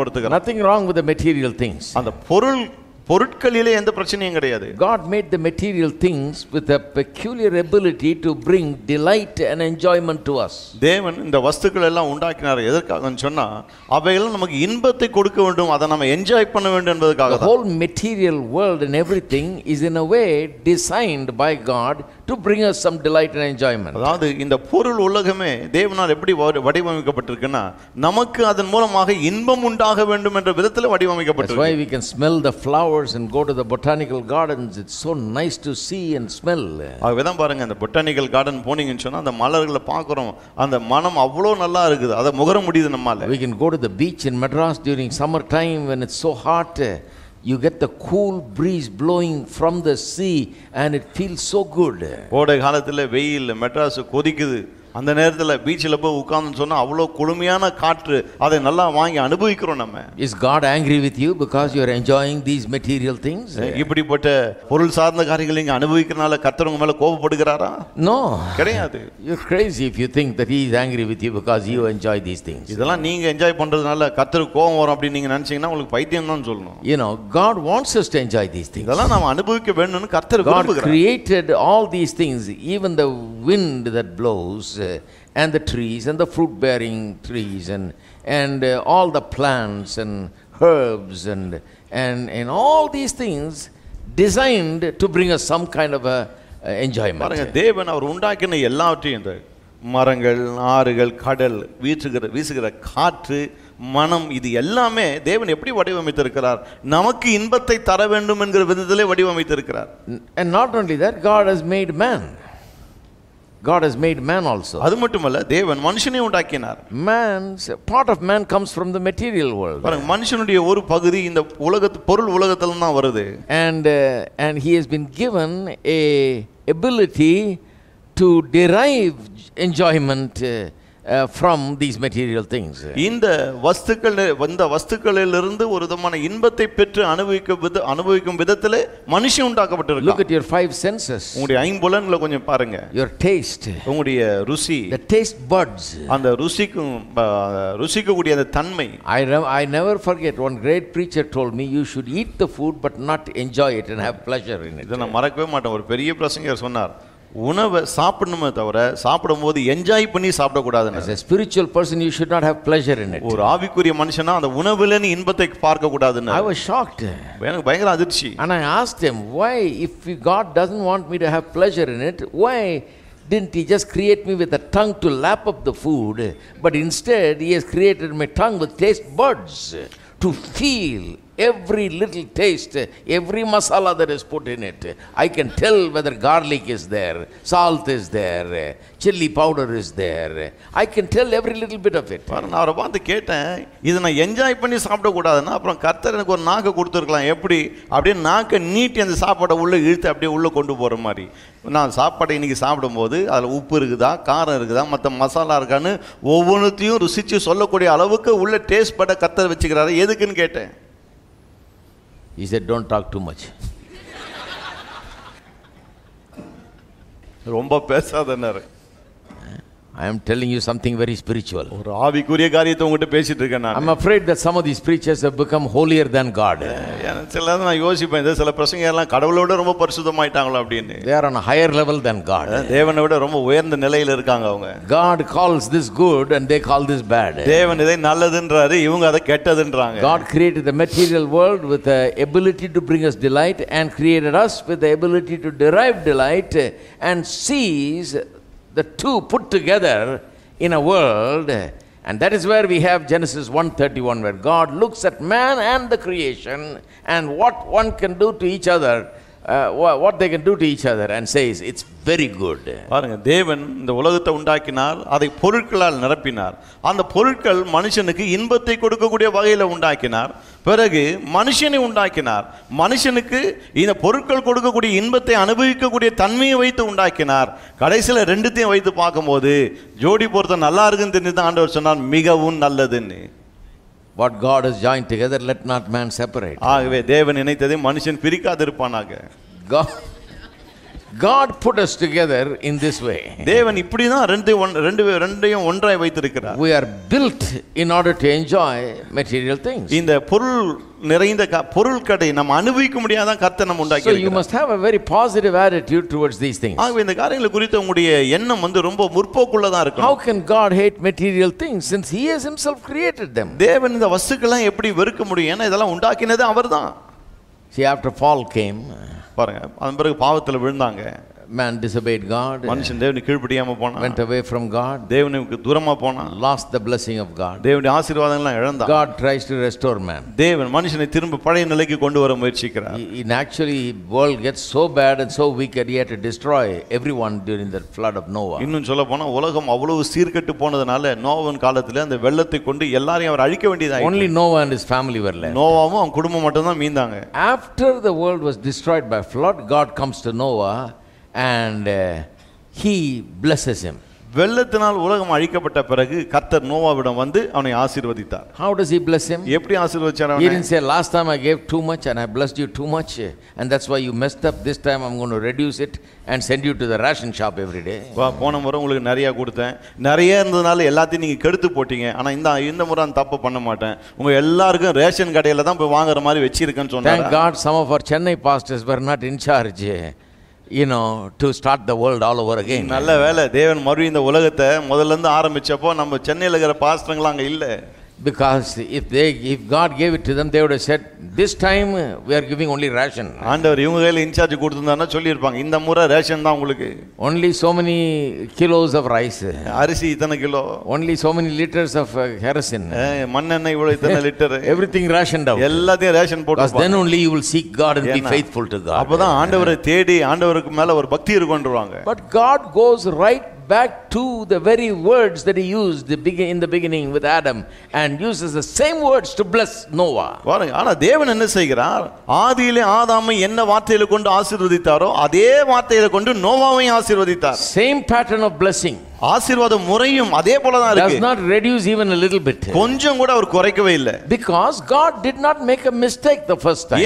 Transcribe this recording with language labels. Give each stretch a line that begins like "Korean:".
Tamil: பொருள் பொருட்களிலே எந்த பிரச்சனையும் கிடையாது.
English: God made the material things with a peculiar ability to bring delight and enjoyment to us.
Tamil: தேவன் இந்த வஸ்துக்கள் எல்லாம் உண்டாக்கினார் எதற்காகன்னு சொன்னா அவைகளை நமக்கு இன்பத்தை கொடுக்க வேண்டும், அதை நாம என்ஜாய் பண்ண வேண்டும் என்பதற்காக.
English: The whole material world and everything is in a way designed by God to bring us some delight and enjoyment.
Tamil: அதாவது இந்த பொருள் உலகமே தேவனால் எப்படி வடிவமைக்கப்பட்டிருக்குன்னா நமக்கு அதன் மூலமாக இன்பம் உண்டாக வேண்டும் என்ற விதத்தில் வடிவமைக்கப்பட்டிருக்கு.
English: That's why we can smell the flowers and go to the botanical gardens. It's so nice to see and smell.
Tamil: அவ்விதம் பாருங்க, அந்த botanical garden போனீங்கன்னு சொன்னா அந்த மலர்களை பார்க்கறோம், அந்த மனம் அவ்வளோ நல்லா இருக்குது, அதை முகர முடியுது நம்மால.
English: We can go to the beach in Madras during summer time when it's so hot. You get the cool breeze blowing from the sea and it feels so good.
Tamil: கோடை காலத்துல வெயில் மெட்ராஸ் கொதிக்குது, அந்த நேரத்துல பீச்சில் போய் உட்கார்ந்து சொன்னா அவ்வளவு குளுமையான காற்று, அதை நல்லா வாங்கி அனுபவிக்கிறோம் நம்ம.
English: Is God angry with you because you are enjoying these material things?
Tamil: இப்படிப்பட்ட பொருள் சார்ந்த காரியங்களை நீங்க அனுபவிக்கிறனால கர்த்தர் உங்க மேல கோபப்படுகிறாரா?
English: No.
Tamil: கிடையாது.
English: You're crazy if you think that he is angry with you because you enjoy these things.
Tamil: இதெல்லாம் நீங்க என்ஜாய் பண்றதுனால கர்த்தர் கோபம் வரும் அப்படி நீங்க நினைச்சீங்கன்னா உங்களுக்கு பைத்தியம் தான் சொல்லணும்.
English: You know, God wants us to enjoy these things.
Tamil: இதெல்லாம் நாம அனுபவிக்க வேண்டும்னு கர்த்தர் விரும்புகிறார்.
English: God created all these things, even the wind that blows and the trees and the fruit bearing trees and all the plants and herbs and all these things designed to bring us some kind of a enjoyment.
Tamil: பாருங்க, தேவன் அவர் உண்டாக்கின எல்லாவற்றையும், மரங்கள், ஆறுகள், கடல், வீசுகிற காற்று, மனம், இது எல்லாமே தேவன் எப்படி வடிவமைத்திருக்கிறார், நமக்கு இன்பத்தை தர வேண்டும் என்கிற விதத்திலே வடிவமைத்திருக்கிறார்.
English: And not only that, God has made man. God has made man also.
Tamil: அது மட்டுமல்ல, தேவன் மனுஷனையும் உண்டாக்கினார்.
English: Man's part of man comes from the material world.
Tamil: பாருங்க, மனுஷனுடைய ஒரு பகுதி இந்த உலகத்து பொருள் உலகத்துல தான் வருது.
English: And he has been given a ability to derive enjoyment from these material things.
Tamil: இந்த வஸ்துக்களை வந்த வஸ்துக்களிலிருந்து ஒருதமான இன்பத்தை பெற்று அனுபவிக்கும் விதத்தில் மனுஷன் உண்டாக்கப்பட்டிருக்கு.
English: Look at your five senses.
Tamil: உங்களுடைய ஐம்புலன்களை கொஞ்சம் பாருங்க.
English: Your taste.
Tamil: உங்களுடைய ருசி.
English: The taste buds.
Tamil: அந்த ருசிக்கும் ருசிக்கக்கூடிய அந்த தன்மை.
English: I never forget one great preacher told me you should eat the food but not enjoy it and have pleasure in it.
Tamil: இதை நான் மறக்கவே மாட்டேன். ஒரு பெரிய பிரசங்கர் சொன்னார், உணவை சாப்பிடணுமே தவிர சாப்பிடும்போது என்ஜாய் பண்ணி சாப்பிடக்கூடாது.
English: As a spiritual person, you should not have pleasure in it.
Tamil: ஒரு ஆவிக்குரிய மனுஷனா அந்த உணவுல நீ இன்பத்தை பார்க்க கூடாதுன்னு.
English: I was shocked.
Tamil: எனக்கு பயங்கர அதிர்ச்சி.
English: And I asked him, why, if God doesn't want me to have pleasure in it, why didn't he just create me with a tongue to lap up the food, but instead he has created my tongue with taste buds to feel Every little taste, every masala that is put in it, I can tell whether garlic is there, salt is there, chili powder is there. I can tell every little bit of it.
Tamil: பாருங்க அவரை பார்த்து கேட்டேன், இதை நான் enjoy பண்ணி சாப்பிடக்கூடாதுன்னா அப்புறம் கர்த்தர் எனக்கு ஒரு நாக்கு கொடுத்துருக்கலாம் எப்படி அப்படின்னு, நாக்கை நீட்டி அந்த சாப்பாடை உள்ளே இழுத்து அப்படியே உள்ளே கொண்டு போகிற மாதிரி. நான் சாப்பாடை இன்னைக்கு சாப்பிடும்போது அதில் உப்பு இருக்குதா, காரம் இருக்குதா, மற்ற மசாலா இருக்கான்னு ஒவ்வொன்றத்தையும் ருசித்து சொல்லக்கூடிய அளவுக்கு உள்ள டேஸ்ட் பட கர்த்தர் வச்சுக்கிறார எதுக்குன்னு கேட்டேன்.
English: He said, don't talk too much.
Tamil: ரொம்ப பேசாதன்னாரு.
English: I am telling you something very spiritual.
Tamil: ஒரு ஆவிக்குரிய காரியத்தை உங்ககிட்ட பேசிட்டு இருக்கேன்.
English: I'm afraid that some of these preachers have become holier than God.
Tamil: நான் சிலதை நான் யோசிப்பேன், சில பிரசங்க எல்லாம் கடவுளோட ரொம்ப பரிசுத்தமாயிட்டாங்களோ அப்படின்னு.
English: They are on a higher level than God.
Tamil: தேவனை விட ரொம்ப உயர்ந்த நிலையில இருக்காங்க அவங்க.
English: God calls this good and they call this bad.
Tamil: தேவன் இதை நல்லதுன்றாரு, இவங்க அதை கெட்டதுன்றாங்க.
English: God created the material world with the ability to bring us delight and created us with the ability to derive delight and sees the two put together in a world, and that is where we have Genesis 1:31, where God looks at man and the creation and what one can do to each other, what they can do to each other, and says it's very good.
Tamil: பாருங்க தேவன் இந்த உலகத்தை உண்டாக்கினார், அதை பொருட்களால் நிரப்பினார், அந்த பொருட்கள் மனுஷனுக்கு இன்பத்தை கொடுக்கக்கூடிய வகையில் உண்டாக்கினார், பிறகு மனுஷனை உண்டாக்கினார், மனுஷனுக்கு இந்த பொருட்கள் கொடுக்கக்கூடிய இன்பத்தை அனுபவிக்கக்கூடிய தன்மையை வைத்து உண்டாக்கினார், கடைசியில் ரெண்டுத்தையும் வைத்து பார்க்கும்போது ஜோடி பொருத்தம் நல்லா இருக்குன்னு தெரிஞ்சு தான் ஆண்டவர் சொன்னார் மிகவும் நல்லதுன்னு.
English: What God has joined together, let not man separate.
Tamil: ஆகவே தேவன் இணைத்ததை மனுஷன் பிரிக்காதிருப்பானாக.
English: God put us together in this way.
Tamil: தேவன் இப்படி தான் ரெண்டையும் ஒன்றாய் வைத்திருக்கிறார்.
English: We are built in order to enjoy material things.
Tamil: இந்த பொருள் நிறைந்த பொருள்கடை நம்ம அனுபவிக்க முடியாத கர்த்தர் நம்ம உண்டாக்கி.
English: So you must have a very positive attitude towards these things.
Tamil: ஆகவே இந்த காரியங்களை குறித்து உங்களுடைய எண்ணம் வந்து ரொம்ப முற்போக்குள்ளதா இருக்கும்.
English: How can God hate material things since he has himself created them?
Tamil: தேவன் இந்த வஸ்துக்களை எப்படி வெறுக்க முடியும், ஏன்னா இதெல்லாம் உண்டாக்கினதே அவர்தான்.
English: See, after fall came,
Tamil: இன்னும் சொல்ல போனா உலகம் அவ்வளவு சீர்கெட்டு போனதுனால நோவன் காலத்துல அந்த வெள்ளத்தை கொண்டு எல்லாரையும் அவர் அழிக்க வேண்டியதான். குடும்பம் மட்டும்தான்
English: God comes to Noah and he blesses him.
Tamil: வெள்ளத்தினால் உலகம் அழிக்கப்பட்ட பிறகு கர்த்தர் நோவாவிடம் வந்து அவனை ஆசீர்வதித்தார்.
English: How does he bless him?
Tamil: எப்படி ஆசீர்வதிச்சார் அவனை?
English: He didn't say last time I gave too much and I blessed you too much and that's why you messed up. This time I'm going to reduce it and send you to the ration shop every day.
Tamil: வா போன முறை உங்களுக்கு நிறைய கொடுத்தேன், நிறைய இருந்ததுனால எல்லாத்தையும் நீங்க கெடுத்து போட்டீங்க, ஆனா இந்த முறை நான் தப்பு பண்ண மாட்டேன், உங்க எல்லாருக்கும் ரேஷன் கடையில தான் போய் வாங்குற மாதிரி வச்சிருக்கேன்னு சொன்னார்.
English: Thank God some of our Chennai pastors were not in charge. You know, to start the world all over again.
Tamil: நல்ல வேளை தேவன் மறு இந்த உலகத்தை முதல்ல இருந்து ஆரம்பிச்சப்போ நம்ம சென்னையில இருக்கிற பாஸ்டர்கள் அங்க இல்ல.
English: Because if God gave it to them, they would have said, this time we are giving only ration.
Tamil: ஆண்டவர் இவங்க கையில இன்சார்ஜ் கொடுத்திருந்தானே சொல்லிருப்பாங்க, இந்த முறை ரேஷன் தான் உங்களுக்கு.
English: Only so many kilos of rice.
Tamil: அரிசி இத்தனை kilo.
English: Only so many liters of kerosene.
Tamil: மண்ணெண்ணெய் இவ்வளவு இத்தனை லிட்டர்.
English: Everything rationed out.
Tamil: எல்லாத்தையும் ரேஷன் போட்டு.
English: Because then only you will seek God and be faithful to God.
Tamil: அப்பதான் ஆண்டவரை தேடி ஆண்டவருக்கு மேல ஒரு பக்தி இருக்கும்ன்றாங்க.
English: But God goes right back to the very words that he used in the beginning with Adam and uses the same words to bless Noah.
Tamil: பாருங்க ஆனா தேவன் என்ன செய்கிறார், ஆதியிலே ஆதாமை என்ன வார்த்தையில கொண்டு ஆசீர்வதித்தாரோ அதே வார்த்தையில கொண்டு நோவாவையும் ஆசீர்வதித்தார்.
English: Same pattern of blessing.
Tamil: ஆசீர்வாத முறையும் அதே போல தான் இருக்கு.
English: Does not reduce even a little bit.
Tamil: கொஞ்சம் கூட அவர் குறைக்கவே இல்ல.
English: Because God did not make a mistake the first time.